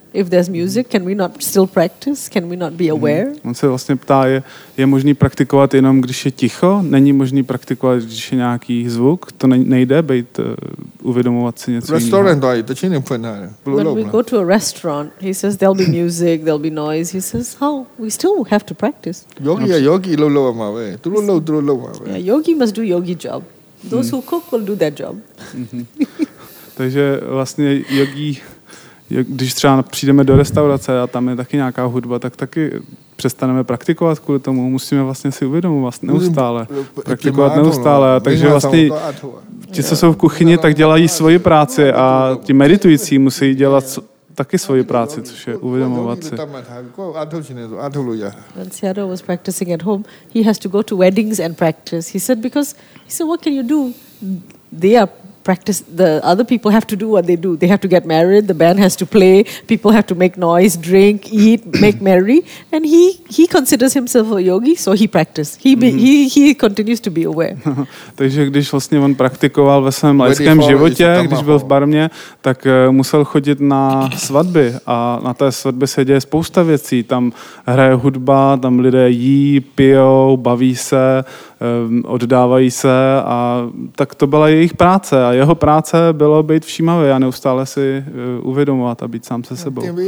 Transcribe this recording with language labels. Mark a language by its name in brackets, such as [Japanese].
[English] If there's music, can we not still practice? Can we not be aware? [Czech] On se vlastně ptá, je možný praktikovat jenom, když je ticho? Není možný praktikovat, když je nějaký zvuk? To nejde, uvědomovat si něco jiného. [English] When we go to a restaurant, he says, there'll be music, there'll be noise. He says, oh, we still have to practice. Yogi must do yogi job. Those who cook will do their job. [Czech] Takže vlastně yogi, když třeba přijdeme do restaurace a tam je taky nějaká hudba, tak taky přestaneme praktikovat kvůli tomu. Musíme vlastně si uvědomit vlastně neustále. Praktikovat neustále. Takže vlastně ti, co jsou v kuchyni, tak dělají svoji práci a ti meditující musí dělat taky svoji práci, což je uvědomovat si. [English] When Sayado was practicing at home, he has to go to weddings and practice. He said, what can you do? They are practice. The other people have to do what they do. They have to get married. The band has to play. People have to make noise, drink, eat, make merry. And he considers himself a yogi, so he practices. He continues to be aware. [Czech] Takže když vlastně on praktikoval ve svém laickém životě, když byl v Barmě, tak musel chodit na svatby a na té svatbě se děje spousta věcí. Tam hraje hudba, tam lidé jí, pijou, baví se, oddávají se a tak to byla jejich práce a jeho práce bylo být všímavý a neustále si uvědomovat a být sám se sebou.